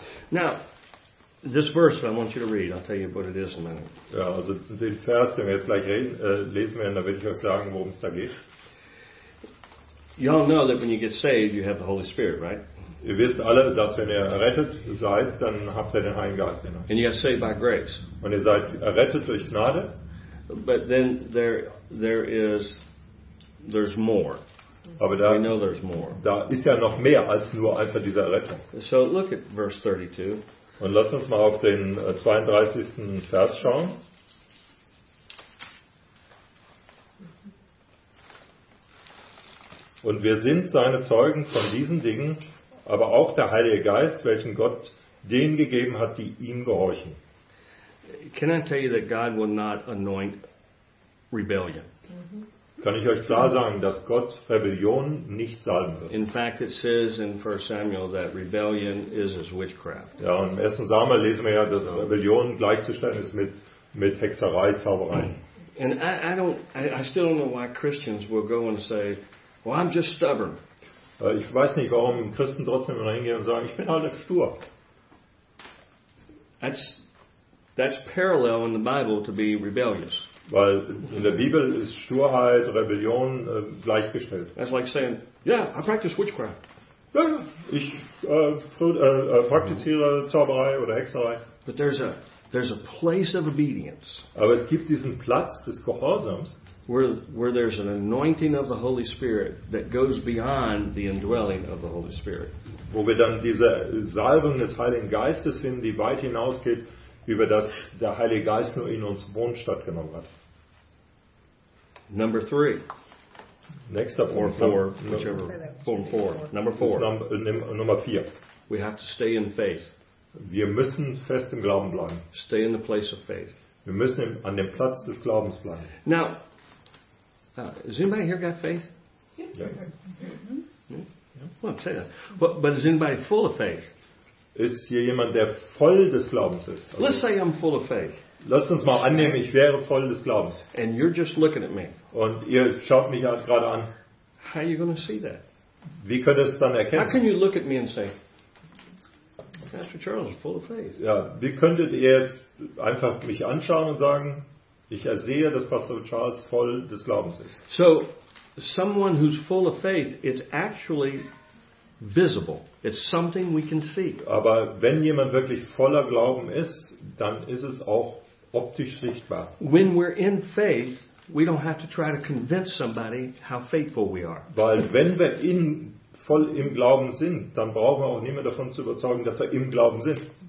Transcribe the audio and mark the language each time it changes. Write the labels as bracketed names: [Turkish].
[English] Now, this verse that I want you to read, I'll tell you what it is in a minute. [German] Ja, also den Vers, den wir jetzt gleich lesen werden, da werde ich euch sagen, worum es da geht. [English] You all know that when you get saved, you have the Holy Spirit, right? [German] Ihr wisst alle, dass wenn ihr errettet seid, dann habt ihr den Heiligen Geist in euch. [English] And you get saved by grace. [German] Und ihr seid errettet durch Gnade. [English] But then there's more. [German] Aber da, [English] we know there's more. [German] Da ist ja noch mehr als nur einfach diese Errettung. [English] So look at verse 32. [German] Und lass uns mal auf den 32. Vers schauen. Und wir sind seine Zeugen von diesen Dingen, aber auch der Heilige Geist, welchen Gott denen gegeben hat, die ihm gehorchen. [English] Can I tell you that God will not anoint rebellion? [German] Kann ich euch klar sagen, dass Gott Rebellion nicht salben wird. [English] In fact, it says in 1 Samuel that rebellion is as witchcraft. [German] Ja, und im 1. Samuel lesen wir ja, dass Rebellion gleichzustellen ist mit Hexerei, Zauberei. [English] And I still don't know why Christians will go and say, well, I'm just stubborn. [German] Ich weiß nicht, warum Christen trotzdem immer hingehen und sagen, ich bin halt stur. [English] That's parallel in the Bible to be rebellious. [German] Weil in der Bibel ist Sturheit, Rebellion gleichgestellt. [English] That's like saying, yeah, I practice witchcraft. [German] Ja, ich praktiziere Zauberei oder Hexerei. [English] But there's a place of obedience. [German] Aber es gibt diesen Platz des Gehorsams, [English] where there's an anointing of the Holy Spirit that goes beyond the indwelling of the Holy Spirit. [German] Wo wir dann diese Salbung des Heiligen Geistes finden, die weit hinausgeht, über das der Heilige Geist nur in uns wohnt, stattgenommen hat. [English] Number three. [German] Nächster Punkt. [English] Number four. We have to stay in faith. [German] Wir müssen fest im Glauben bleiben. [English] Stay in the place of faith. [German] Wir müssen an dem Platz des Glaubens bleiben. [English] Now, has anybody here got faith? Yeah. Well, say that. But is anybody full of faith? [German] Ist hier jemand, der voll des Glaubens ist? [English] Also, let's say I'm full of faith. [German] Lasst uns mal annehmen, ich wäre voll des Glaubens. [English] And you're just looking at me. [German] Und ihr schaut mich halt gerade an. [English] How are you going to see that? [German] Wie könnt ihr es dann erkennen? [English] How can you look at me and say, Pastor Charles is full of faith? [German] Ja, wie könntet ihr jetzt einfach mich anschauen und sagen, ich ersehe, dass Pastor Charles voll des Glaubens ist? [English] So, someone who's full of faith, it's actually visible. It's something we can see. [German] Aber wenn jemand wirklich voller Glauben ist, dann ist es auch optisch sichtbar. [English] When we're in faith, we don't have to try to convince somebody how faithful we are. [German] Weil wenn wir voll im Glauben sind, dann brauchen wir auch niemanden davon zu überzeugen, dass wir im Glauben sind.